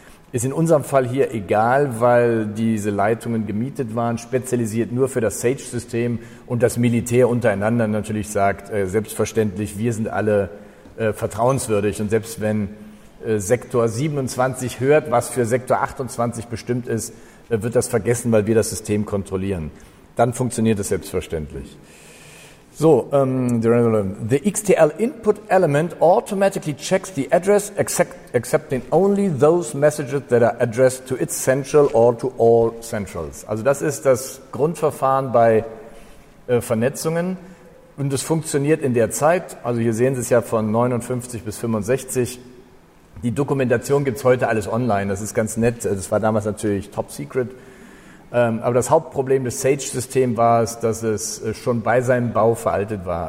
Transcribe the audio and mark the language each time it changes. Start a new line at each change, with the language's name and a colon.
German: Ist in unserem Fall hier egal, weil diese Leitungen gemietet waren, spezialisiert nur für das SAGE-System und das Militär untereinander natürlich sagt, selbstverständlich, wir sind alle vertrauenswürdig und selbst wenn Sektor 27 hört, was für Sektor 28 bestimmt ist, wird das vergessen, weil wir das System kontrollieren. Dann funktioniert es selbstverständlich.
English: So, the XTL input element automatically checks the address, accepting only those messages that are addressed to its central or to all centrals.
German: Also das ist das Grundverfahren bei Vernetzungen. Und es funktioniert in der Zeit, also hier sehen Sie es ja von 59 bis 65, die Dokumentation gibt es heute alles online, das ist ganz nett, das war damals natürlich top secret. Aber das Hauptproblem des SAGE-Systems war es, dass es schon bei seinem Bau veraltet war.